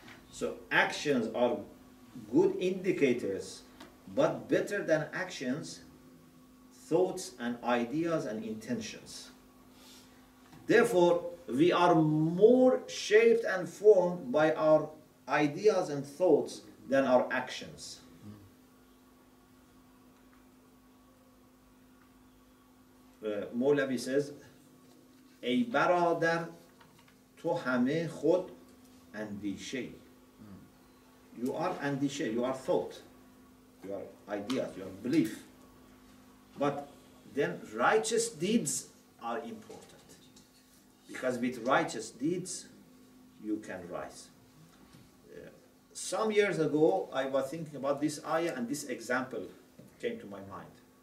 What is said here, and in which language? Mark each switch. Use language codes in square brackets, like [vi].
[en] So actions are good indicators, but better than actions, thoughts and ideas and intentions. Therefore, we are more shaped and formed by our ideas and thoughts than our actions. [fa] مولوی [en] says, [fa] ای برادر تو همه خود اندیشه. [en] You are اندیشه, you are thought, you are ideas, you are belief. But then righteous deeds are important. Because with righteous deeds, you can rise. Some years ago, I was thinking about this ayah and this example came to my mind.